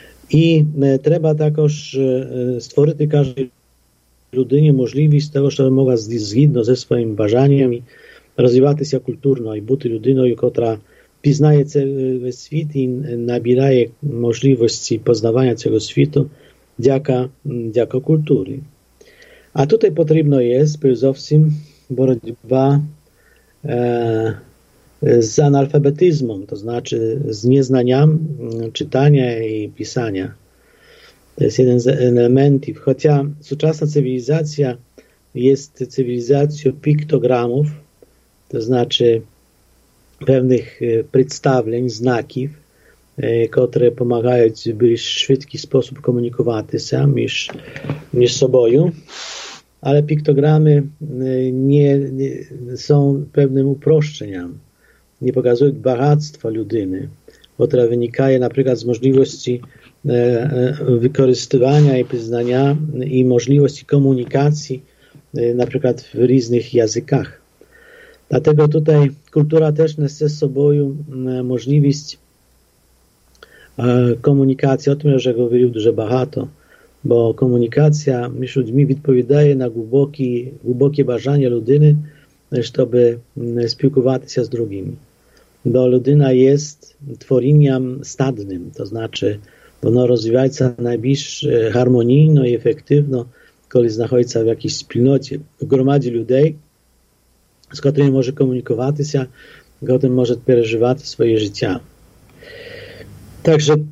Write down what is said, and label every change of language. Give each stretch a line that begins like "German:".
Ukrainian: І треба також створити кожен людині можливість того, щоб могла згідно зі своїми бажаннями розвиватися культурно і бути людиною, котра пізнає цей світ і набирає можливості познавання цього світу дяка культурі. А тут потрібно є зовсім боротьба з аналфабетизмом, то значи з незнанням читання і писання.
Polish: To jest jeden z elementów, chociaż współczesna cywilizacja jest cywilizacją piktogramów, to znaczy pewnych przedstawień, znaków, które pomagają w bardziej szybki sposób komunikować się niż sobą, ale piktogramy nie są pewnym uproszczeniem, nie pokazują bogactwa ludyny, która wynika na przykład z możliwości wykorzystywania i poznania i możliwości komunikacji na przykład w różnych językach. Dlatego tutaj kultura też niesie z sobą możliwość komunikacji. O tym już mówił dużo bardzo, bo komunikacja między ludźmi odpowiada na głębokie bażanie ludyny, żeby spiłkować się z drugimi. Bo ludyna jest tworzeniem stadnym, to znaczy
Ukrainian: воно розвивається найбільш гармонійно і ефективно, коли знаходиться в якійсь спільноті, в громаді людей, з котрими може комунікуватися, котрим може переживати своє життя. Також